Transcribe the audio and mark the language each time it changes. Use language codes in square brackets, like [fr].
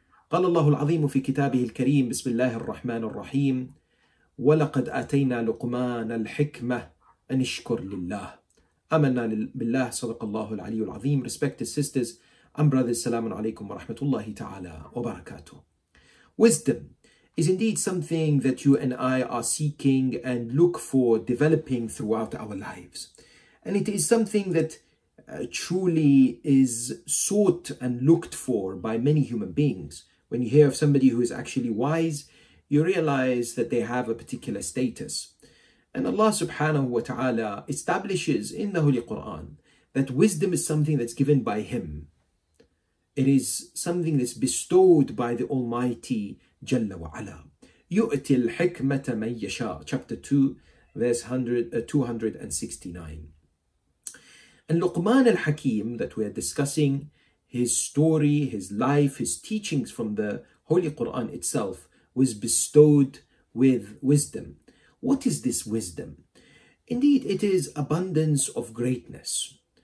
[ar] قال الله العظيم في كتابه الكريم، بسم الله الرحمن الرحيم، ولقد آتينا لقمان الحكمة أن اشكر لله. أمنا بالله، صدق الله العلي العظيم. [en] Respected sisters and brothers, [ar] السلام عليكم ورحمة الله تعالى وبركاته. [en] Wisdom is indeed something that you and I are seeking and look for developing throughout our lives. And it is something that truly is sought and looked for by many human beings. When you hear of somebody who is actually wise, you realize that they have a particular status. And Allah subhanahu wa ta'ala establishes in the Holy Quran that wisdom is something that's given by Him. It is something that's bestowed by the Almighty Jalla wa Ala. [ar] يُؤْتِ الْحِكْمَةَ مَنْ يَشَاءَ [en] Chapter 2, verse 269. And Luqman al-Hakim that we are discussing, his story, his life, his teachings from the Holy Quran itself, was bestowed with wisdom. What is this wisdom? Indeed, it is abundance of greatness.